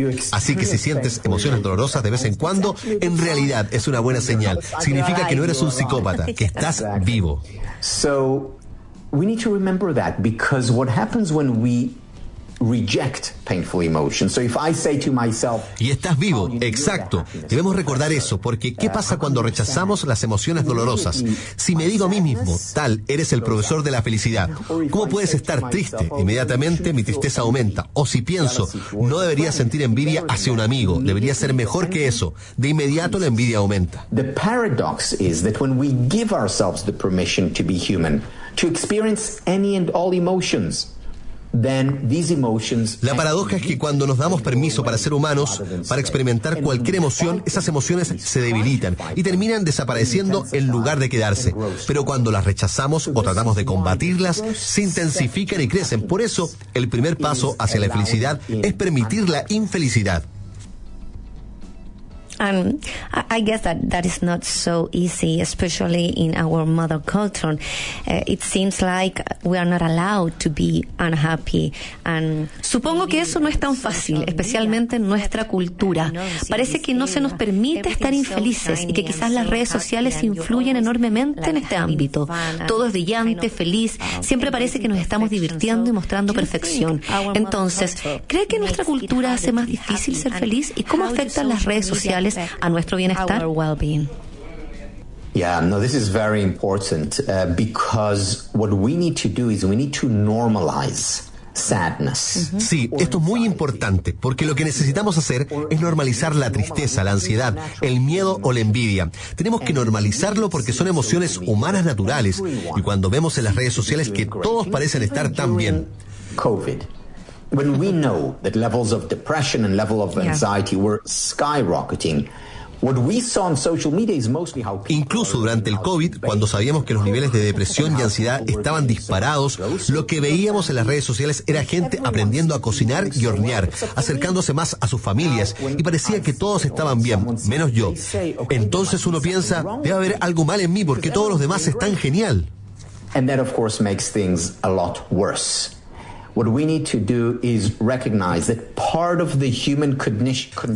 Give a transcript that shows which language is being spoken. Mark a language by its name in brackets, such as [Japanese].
[Spanish] Así que si sientes emociones dolorosas de vez en cuando, en realidad es una buena señal. Significa que no eres un psicópata, que estás vivo. [English] So we need to remember that, because what happens when we reject painful emotions. So if I say to myself, [Spanish] y estás vivo, exacto. Debemos recordar eso, porque ¿qué pasa cuando rechazamos las emociones dolorosas? Si me digo a mí mismo, tal, eres el profesor de la felicidad, ¿cómo puedes estar triste? Inmediatamente mi tristeza aumenta. O si pienso, no debería sentir envidia hacia un amigo, debería ser mejor que eso, de inmediato la envidia aumenta. [English] The paradox is that when we give ourselves the permission to be human, to experience any and all emotions, then these emotions. [Spanish] La paradoja es que cuando nos damos permiso para ser humanos, para experimentar cualquier emoción, esas emociones se debilitan y terminan desapareciendo en lugar de quedarse. Pero cuando las rechazamos o tratamos de combatirlas, se intensifican y crecen. Por eso, el primer paso hacia la felicidad es permitir la infelicidad. [English] And I guess that that is not so easy, especially in our mother culture. It seems like we are not allowed to be unhappy. And [Spanish] supongo que eso no es tan fácil, especialmente en nuestra cultura. Parece que no se nos permite estar infelices y que quizás las redes sociales influyen enormemente en este ámbito. Todo es brillante, feliz, siempre parece que nos estamos divirtiendo y mostrando perfección. Entonces, ¿cree que nuestra cultura hace más difícil ser feliz? ¿Y cómo afectan las redes sociales a nuestro bienestar? [English] Yeah, no, this is very important because what we need to do is we need to normalize sadness. [Spanish] Sí, esto es muy importante porque lo que necesitamos hacer es normalizar la tristeza, la ansiedad, el miedo o la envidia. Tenemos que normalizarlo porque son emociones humanas naturales y cuando vemos en las redes sociales que todos parecen estar tan bien. [English] COVID. When we know that levels of depression and level of anxiety were skyrocketing, what we saw on social media is mostly how people. [Spanish] Incluso durante el COVID, cuando sabíamos que los niveles de depresión y ansiedad estaban disparados, lo que veíamos en las redes sociales era gente aprendiendo a cocinar y hornear, acercándose más a sus familias, y parecía que todos estaban bien, menos yo. Entonces uno piensa, debe haber algo mal en mí porque todos los demás están genial. [English] And that of course makes things a lot worse. What we need to do is recognize that part of the human condition.